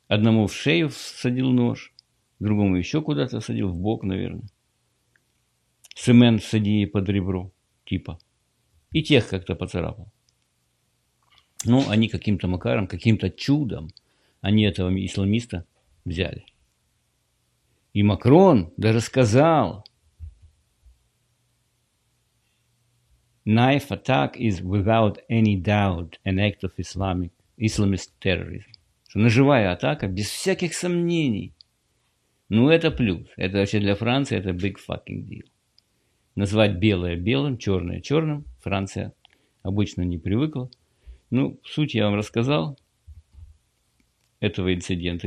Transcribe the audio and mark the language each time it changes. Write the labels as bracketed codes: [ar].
[ru] Одному в шею всадил нож. Другому еще куда-то всадил. В бок, наверное. Семен всади под ребро. Типа. И тех как-то поцарапал. Ну, они каким-то макаром, каким-то чудом они этого исламиста взяли. И Макрон даже сказал, [en] knife attack is without any doubt an act of Islamist terrorism. [ru] Что ножевая атака без всяких сомнений. Ну, это плюс. Это вообще для Франции это [en] big fucking deal. [ru] Назвать белое белым, черное черным. Франция обычно не привыкла. Ну, суть я вам рассказал этого инцидента.